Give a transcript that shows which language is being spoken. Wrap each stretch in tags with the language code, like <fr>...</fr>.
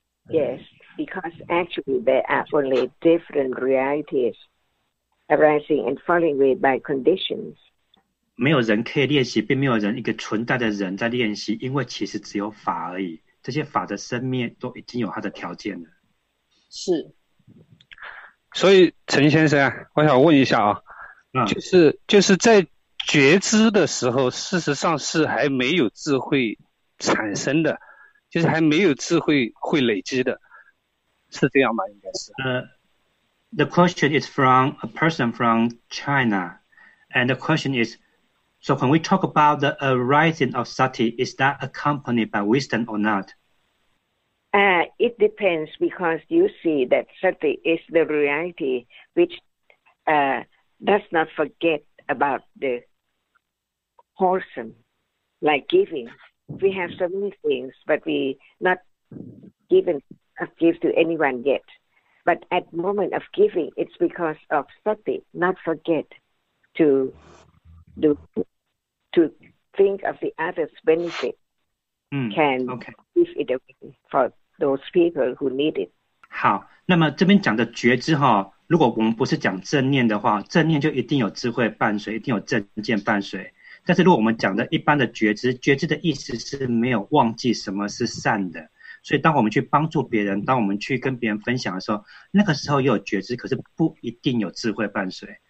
<en>Yes, because actually there are only different realities arising and falling away by conditions.</en> <zh>没有人可以练习，并没有人一个存在的人在练习，因为其实只有法而已。这些法的生灭都已经有它的条件了。是。所以陈先生，我想问一下啊，就是在觉知的时候，事实上是还没有智慧产生的，就是还没有智慧会累积的，是这样吗？应该是。</zh> <en>The question is from a person from China, and the question is,So when we talk about the arising of sati, is that accompanied by wisdom or not? It depends, because you see that sati is the reality which does not forget about the wholesome, like giving. We have so many things, but we not given a gift to anyone yet. But at moment of giving, it's because of sati, not forget to do. To think of the other's benefit can give it away for those people who need it.</en> <zh>好，那么这边讲的觉知哈，如果我们不是讲正念的话，正念就一定有智慧伴随，一定有正见伴随。但是如果我们讲的一般的觉知，觉知的意思是没有忘记什么是善的。所以当我们去帮助别人，当我们去跟别人分享的时候，那个时候也有觉知，可是不一定有智慧伴随。</zh>